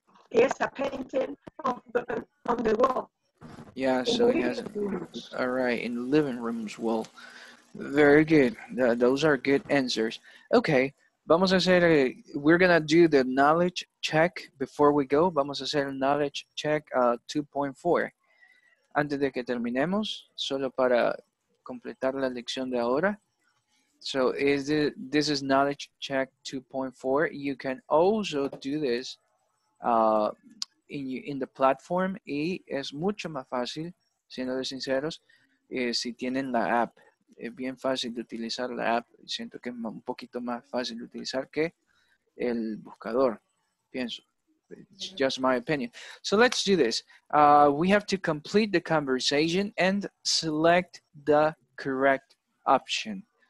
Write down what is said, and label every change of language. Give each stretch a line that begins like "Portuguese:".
English: Yes, a painting on the wall. Yeah, so he has, all right, in the living room's wall. Very good. Those are good answers. Okay.
Spanish: Vamos a hacer,
English: we're going to do the knowledge check before we go.
Spanish: Vamos a hacer el knowledge check 2.4. Antes de que terminemos, solo para completar la lección de ahora.
English: So, this is knowledge check 2.4. You can also do this in the platform.
Spanish: Y es mucho más fácil, siendo sinceros, si tienen la app. Es bien fácil de utilizar la app. Siento que es un poquito más fácil de utilizar que el buscador. Pienso.
English: It's just my opinion. So let's do this. We have to complete the conversation and select the correct option.